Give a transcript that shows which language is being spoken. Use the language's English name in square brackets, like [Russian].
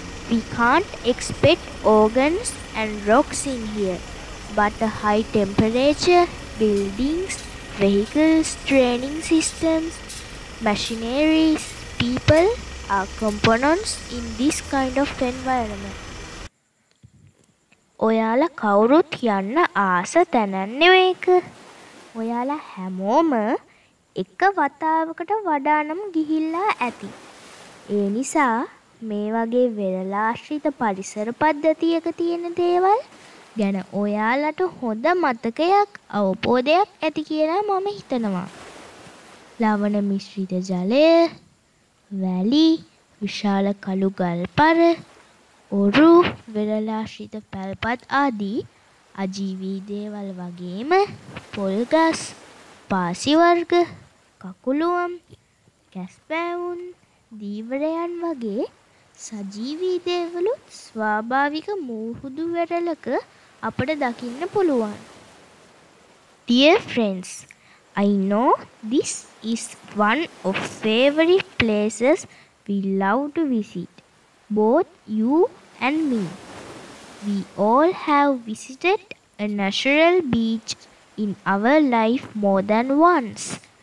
[English] We can't expect organs and rocks in here, but the high temperature, buildings, vehicles, training systems, machineries, people are components in this kind of environment. [Sinhala] ඔයාලා කවුරුත් යන්න ආස තැනක් නෙවෙයි ඒක. ඔයාලා හැමෝම එක වතාවකට වඩානම් ගිහිල්ලා ඇති. ඒ නිසා මේ වගේ වෙරළාශ්‍රිත පරිසර පද්ධතියක තියෙන දේවල් ගැන ඔයාලට හොඳ මතකයක් අවබෝධයක් ඇති කියලා මම හිතනවා. ලවණ මිශ්‍රිත ජලය, වැලි, විශාල කළු ගල්පර, ඔරු, වෙරළාශ්‍රිත පැල්පත් ආදී අජීවී දේවල් වගේම පොල්ගස්, පාසි වර්ග, කකුළුවම්, කැස්පෑවුන්, දීවරයන් වගේ සජීවී දේවලුත් ස්වාභාවික මුහුදු වෙරළක අපට දකින්න පුළුවන්. [English] Dear friends, I know this is one of favorite places we love to visit, both you and me. We all have visited a natural beach in our life more than once.